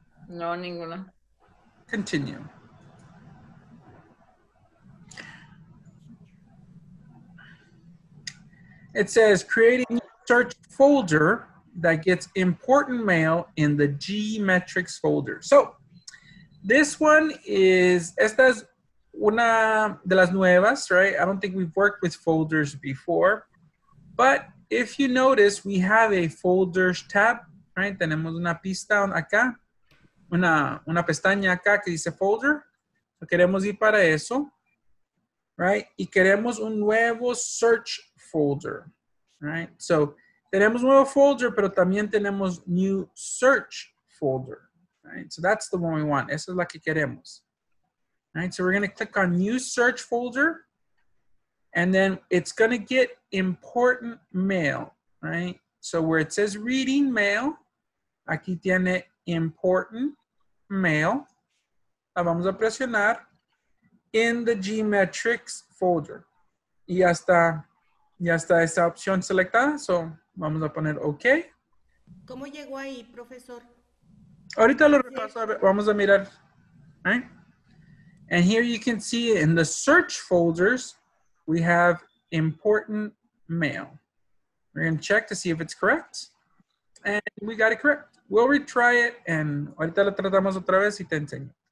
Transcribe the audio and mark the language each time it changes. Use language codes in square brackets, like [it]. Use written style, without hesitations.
[es] No, ninguna. [en] Continue. It says creating a search folder that gets important mail in the G metrics folder. So this one is, [es] esta es una de las nuevas, [en] right? I don't think we've worked with folders before, but if you notice, we have a folders tab, right? [es] Tenemos una pista acá, una pestaña acá que dice folder. Queremos ir para eso, [en] right? [es] Y queremos un nuevo search folder, right? [en] So [es] tenemos nuevo folder, pero también tenemos [en] new search folder, right? So that's the one we want. [es] Esa es la que queremos. [en] Right, so we're going to click on new search folder and then it's going to get important mail, right? So where it says reading mail, [es] aquí tiene [en] important mail. [es] La vamos a presionar [en] in the G metrics folder. [es] Y ya está esa opción selectada. [en] So [es] vamos a poner OK. ¿Cómo llegó ahí, profesor? Ahorita lo repaso. A ver, vamos a mirar, [en] right? And here you can see in the search folders, we have important mail. We're gonna check to see if it's correct. And we got it correct. We'll retry it and [es] ahorita lo tratamos otra vez y te enseño.